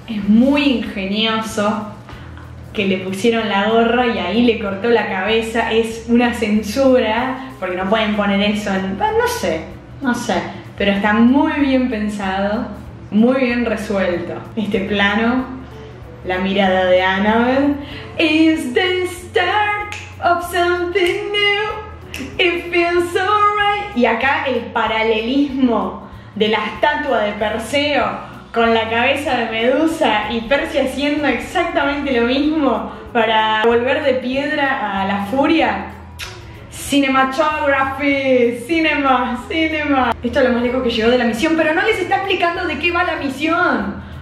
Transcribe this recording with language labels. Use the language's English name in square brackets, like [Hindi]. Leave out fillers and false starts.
[Spanish] Es muy ingenioso que le pusieron la gorra y ahí le cortó la cabeza. Es una censura porque no pueden poner eso en... No sé. Pero está muy bien pensado, muy bien resuelto. Este plano, la mirada de Annabeth. [English] It's the start of something new. It feels alright. [Spanish] Y acá el paralelismo de la estatua de Perseo con la cabeza de Medusa y Percy haciendo exactamente lo mismo para volver de piedra a la furia. Cinematography, cinema. Esto es lo más lejos que llegó de la misión, pero no les está explicando de qué va la misión.